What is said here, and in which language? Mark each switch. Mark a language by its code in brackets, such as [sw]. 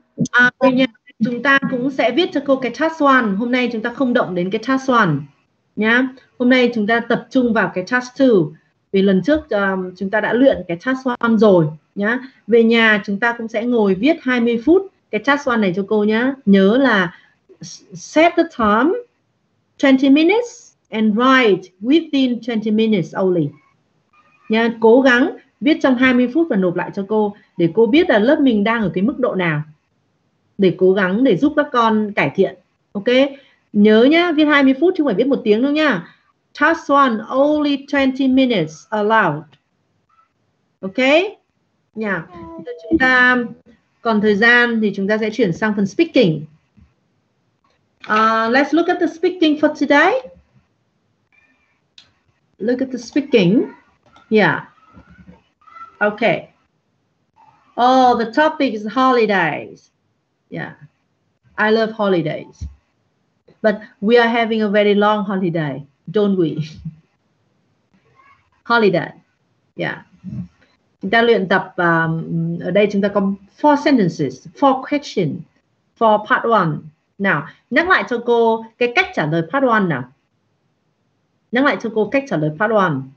[vi] À, về nhà chúng ta cũng sẽ viết cho cô cái task 1. Hôm nay chúng ta không động đến cái task 1 nhá. Hôm nay chúng ta tập trung vào cái task 2. Vì lần trước chúng ta đã luyện cái task 1 rồi nhá. Về nhà chúng ta cũng sẽ ngồi viết 20 phút cái task 1 này cho cô nhá. Nhớ là [en] set the time 20 minutes and write within 20 minutes only. [vi] Nhá, cố gắng viết trong 20 phút và nộp lại cho cô để cô biết là lớp mình đang ở cái mức độ nào, để cố gắng để giúp các con cải thiện. Ok, nhớ nhá, viết 20 phút chứ không phải viết 1 tiếng đâu nhá. [en] Task 1, only 20 minutes allowed. Ok, [vi] nhá. Chúng ta còn thời gian thì chúng ta sẽ chuyển sang phần speaking. [en] Let's look at the speaking for today. Look at the speaking. Yeah. Okay. Oh, the topic is holidays. Yeah, I love holidays. But we are having a very long holiday, don't we? Holiday. Yeah. [vi] Chúng ta luyện tập, ở đây chúng ta có [en] 4 sentences, 4 questions for part 1. [vi] Nào, nhắc lại cho cô cái cách trả lời part 1 nào. Nhắc lại cho cô cách trả lời part 1.